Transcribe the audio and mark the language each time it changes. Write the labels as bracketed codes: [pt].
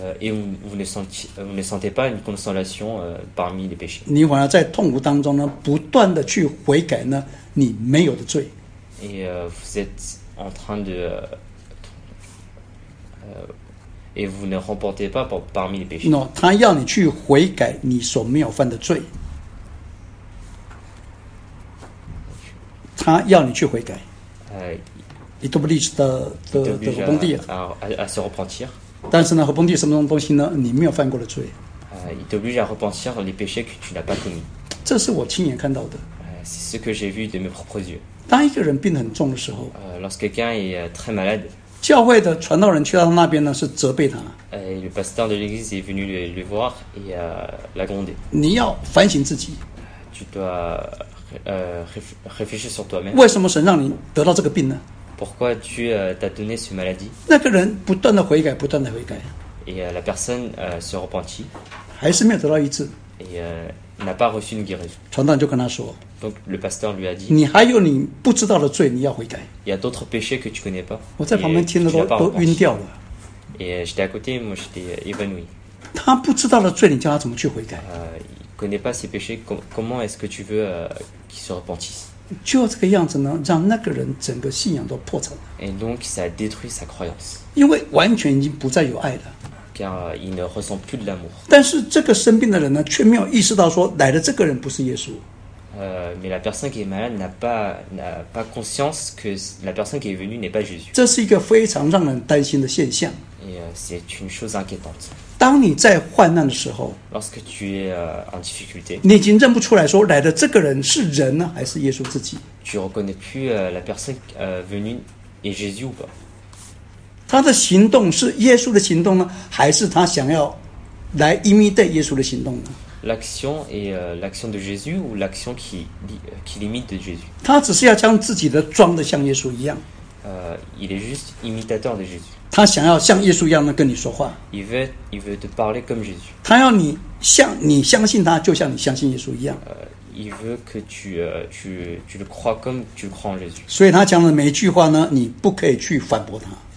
[fr] vous ne sentez pas une consolation parmi les péchés. [zh] 你反而在痛苦当中呢不断的去悔改呢你没有的罪。 [fr] Et vous êtes en train de et vous ne remportez pas parmi les péchés. [zh] Non, 他要你去悔改你所没有犯的罪。他要你去悔改。 [fr] il est obligé de rebondir. À se repentir. [zh] 但是呢, repentir什么东西呢? 你没有犯过的罪。 [fr] Il t'oblige à repentir les péchés que tu n'as pas commis. [zh] 这是我亲眼看到的。 [fr] C'est ce que j'ai vu de mes propres yeux. [zh] 当一个人病得很重的时候, [fr] lorsque quelqu'un est très malade, [zh] 教会的传道人去到那边呢, 是责备他。 [fr] Et le pasteur de l'église est venu le voir et l'a grondé. [zh] 你要反省自己。 [fr] Tu dois réfléchir sur toi-même. [zh] 为什么神让你得到这个病呢? [fr] Pourquoi Dieu t'a donné cette maladie? [zh] 那个人不断地悔改, 不断地悔改。 [fr] Et la personne se repentit. [zh] 还是没有得到医治。 [fr] Et n'a pas reçu une guérison. [zh] 传道就跟他说, [fr] Donc le pasteur lui a dit, [zh] 你还有你不知道的罪, 你要悔改。 [fr] Il y a d'autres péchés que tu ne connais pas. [zh] 我在旁边听的都晕掉了。 [fr] Et j'étais à côté, moi j'étais évanoui. [zh] 他不知道的罪, 你叫他怎么去悔改? [fr] Il ne connaît pas ses péchés, comment est-ce que tu veux qu'il se repentisse? [zh] 就这个样子呢, 让那个人整个信仰都破产了。 [fr] Et donc ça a détruit sa croyance. [zh] 因为完全已经不再有爱了。 [fr] Car il ne ressent plus de l'amour. [zh] 但是这个生病的人呢, 却没有意识到说, 来的这个人不是耶稣。 [fr] Mais la personne qui est malade n'a pas conscience que la personne qui est venue n'est pas Jésus. [zh] 这是一个非常让人担心的现象。 [fr] Et c'est une chose inquiétante. [zh] 当你在患难的时候, [fr] Lorsque tu es en difficulté, [zh] 你已经认不出来说, 来的这个人是人呢, 还是耶稣自己。 [fr] Tu ne reconnais plus la personne venue est Jésus ou pas. [zh] 他的行动是耶稣的行动呢, 还是他想要来imiter耶稣的行动呢? [fr] L'action est l'action de Jésus ou l'action qui l'imite de Jésus? [zh] 他只是要将自己的装得像耶稣一样。 [fr] Il est juste imitateur de Jésus. [zh] 他想要像耶稣一样的跟你说话。 [fr] Il veut te parler comme Jésus. [zh] 他要你相信他，就像你相信耶稣一样。 [fr] Il veut que tu le crois comme tu crois en Jésus. [zh] 所以他讲的每一句话呢, 你不可以去反驳他。